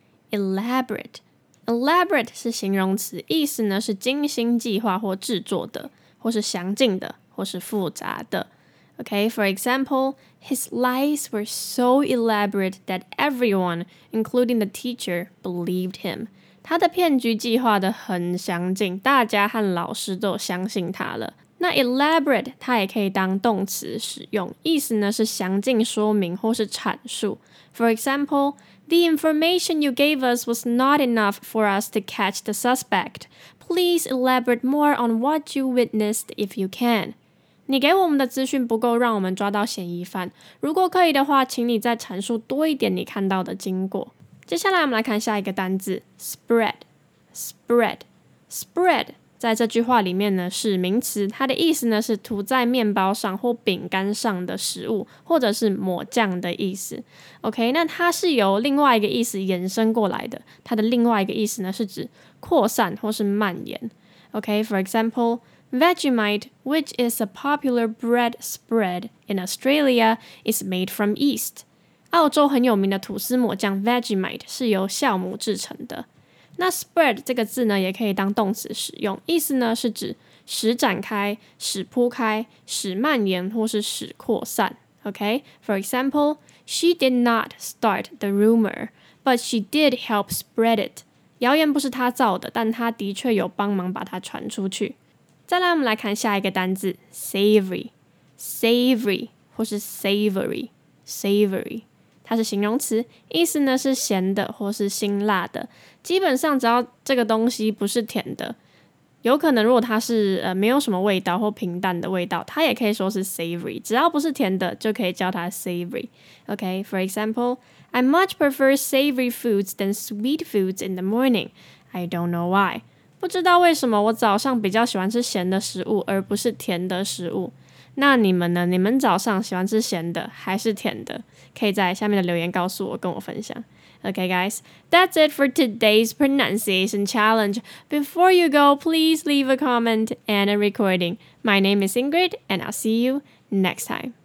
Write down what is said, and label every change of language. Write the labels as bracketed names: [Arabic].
[Chinese] Elaborate. Elaborate 是形容词，意思呢是精心计划或制作的，或是详尽的，或是复杂的。 [English] Okay, for example, his lies were so elaborate that everyone, including the teacher, believed him. [Chinese] 他的骗局计划得很详尽，大家和老师都相信他了。那 elaborate 它也可以当动词使用，意思呢是详尽说明或是阐述。 [English] For example, the information you gave us was not enough for us to catch the suspect. Please elaborate more on what you witnessed if you can. [Chinese] 你给我们的资讯不够让我们抓到嫌疑犯，如果可以的话，请你再阐述多一点你看到的经过。接下来我们来看下一个单字 spread, spread, spread 在这句话里面呢是名词，它的意思呢是涂在面包上或饼干上的食物，或者是抹酱的意思。 OK, 那它是由另外一个意思延伸过来的，它的另外一个意思呢是指扩散或是蔓延。 OK, for example, [English] Vegemite, which is a popular bread spread in Australia, is made from yeast. [Chinese] 澳洲很有名的吐司抹酱 Vegemite 是由酵母制成的。那 spread 这个字呢，也可以当动词使用，意思呢是指使展开、使铺开、使蔓延或是使扩散。 [English] Okay, for example, she did not start the rumor, but she did help spread it. [Chinese] 谣言不是她造的，但她的确有帮忙把它传出去。再来，我们来看下一个单字 ，savory, savory 或是 savory, savory， 它是形容词，意思呢是咸的或是辛辣的。基本上，只要这个东西不是甜的，有可能如果它是没有什么味道或平淡的味道，它也可以说是 savory， 只要不是甜的就可以叫它 savory。 [English] Okay, for example, I much prefer savory foods than sweet foods in the morning. I don't know why. [Chinese] 不知道为什么我早上比较喜欢吃咸的食物而不是甜的食物。那你们呢？你们早上喜欢吃咸的还是甜的？可以在下面的留言告诉我，跟我分享。 [English] Okay, guys, that's it for today's pronunciation challenge. Before you go, please leave a comment and a recording. My name is Ingrid, and I'll see you next time.